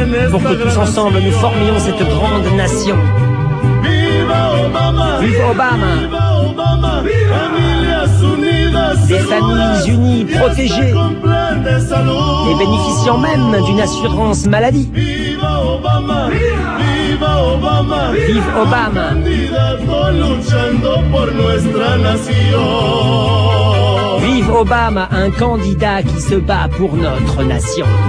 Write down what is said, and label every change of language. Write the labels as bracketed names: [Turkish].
[French] Pour que tous ensemble nous formions cette grande nation. [Spanish] Viva Obama! Viva Obama! Viva! [French] Des familles unies, protégées, et bénéficiant même d'une assurance maladie. [Spanish] Viva Obama! Viva Obama! Viva Obama! Luchando por nuestra nación. [French] Vive Obama, un candidat qui se bat pour notre nation.